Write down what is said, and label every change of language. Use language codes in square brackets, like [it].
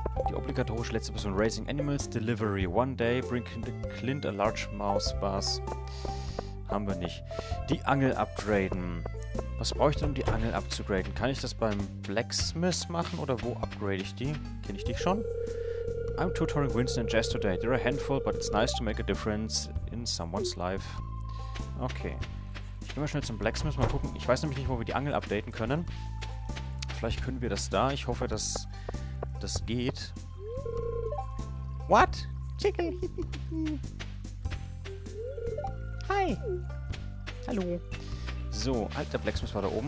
[de] Die obligatorische letzte Person, [en] Raising Animals, Delivery, One Day, Bring Clint a Large Mouse Bass. [de] Haben wir nicht. Die Angel upgraden. Was brauche ich denn, um die Angel abzugraden? Kann ich das beim Blacksmith machen oder wo upgrade ich die? Kenne ich dich schon? [en] I'm tutoring Winston and Jess today. They're a handful, but it's nice to make a difference in someone's life. [de] Okay. Ich gehe mal schnell zum Blacksmith, mal gucken. Ich weiß nämlich nicht, wo wir die Angel updaten können. Vielleicht können wir das da. Ich hoffe, dass... Das geht. [en] What? Chicken. [de] Hi. Hallo. So, halt, der Blacksmith war da oben.